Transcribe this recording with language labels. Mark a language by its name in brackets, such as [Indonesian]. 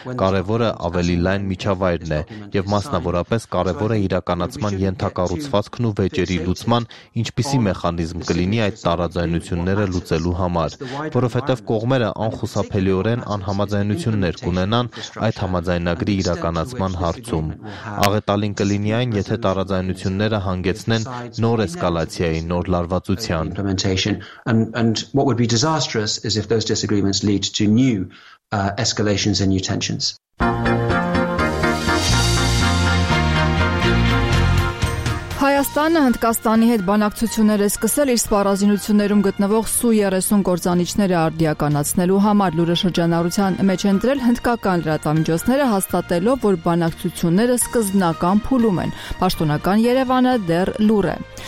[Armenian] կարևորը ավելի լայն միջավայրն է, և մասնավորապես կարևորը իրականացման ենթակառուցվածքն ու վեճերի լուծման, ինչպիսի մեխանիզմ կլինի այդ տարաձայնությունները լուծելու համար, որովհետև կողմերը անխուսափելիորեն անհամաձայնություններ կունենան այդ համաձայնագրի իրականացման հարցում։ Աղետալին կլինի այն, եթե տարաձայնությունները հանգեցնեն նոր էսկալացիայի, նոր լարված [English] implementation and what would be disastrous is if those disagreements lead to new escalations and new tensions. [Armenian] Հայաստանը Հնդկաստանի հետ բանակցություններ է սկսել իր սպառազինություններում գտնվող Սու-30 գործանիչները արդիականացնելու համար։ Լուրը շրջանառության մեջ են դրել հնդկական լրատվամիջոցները, հաստատելով, որ բանակցությունները սկզբնական փուլում են։ Պաշտոնական Երևանը դեռ լուր է։